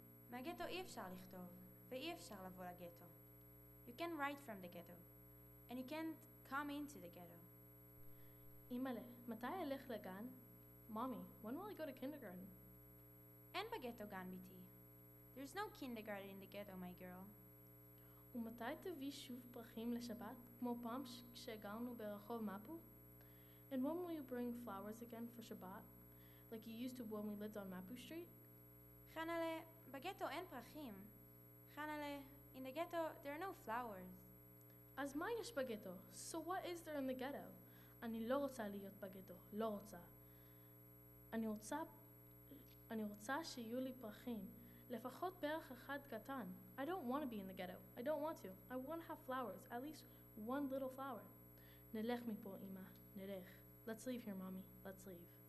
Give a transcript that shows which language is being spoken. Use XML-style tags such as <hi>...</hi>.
<he>מהגטו אי אפשר לכתוב, ואי אפשר לבוא לגטו.</he> <en>You can write from the ghetto, and you can't come into the ghetto.</en> <he>אימאלה, מתי אלך לגן?</he> <en>Mommy, when will I go to kindergarten?</en> <he>אין בגטו גן ביתי.</he> <en>There's no kindergarten in the ghetto, my girl.</en> <he>ומתי תביא שוב פרחים לשבת, כמו פעם כשגרנו ברחוב מפו?</he> <en>And when will you bring flowers again for Shabbat, like you used to when we lived on Mapu Street?</en> <he>חנאלה, בגטו אין פרחים.</he> <en>חנאלה, in the ghetto, there are no flowers.</en> <he>אז מה יש בגטו?</he> <en>So what is there in the ghetto?</en> <he>אני לא רוצה להיות בגטו, לא רוצה. אני רוצה שיהיו לי פרחים, לפחות פרח אחד קטן.</he> <en>I don't want to be in the ghetto. I don't want to. I want to have flowers, at least one little flower.</en> <he>נלך מפה, אמא, נלך.</he> <en>Let's leave here, mommy. Let's leave.</en>